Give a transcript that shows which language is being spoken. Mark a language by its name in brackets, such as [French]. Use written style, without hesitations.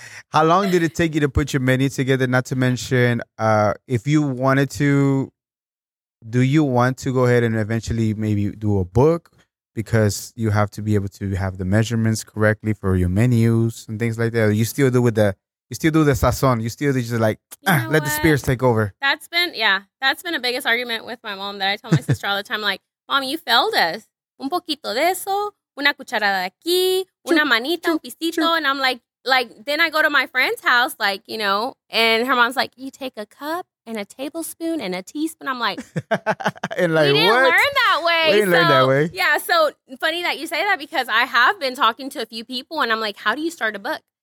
[English] How long did it take you to put your menu together? Not to mention, if you wanted to, do you want to go ahead and eventually maybe do a book? Because you have to be able to have the measurements correctly for your menus and things like that. You still do with the, you still do the sazon. You still just like, let the spirits take over. That's been, that's been a biggest argument with my mom that I tell my sister all the time. Like, Mom, you failed us. [Spanish] Un poquito de eso, una cucharada de aquí, una manita, un pisito. [English] And I'm like, then I go to my friend's house, like, you know, and her mom's like, you take a cup and a tablespoon and a teaspoon. I'm like, and like, we didn't learn that way. We didn't learn that way. Yeah. So funny that you say that, because I have been talking to a few people and I'm like, how do you start a book?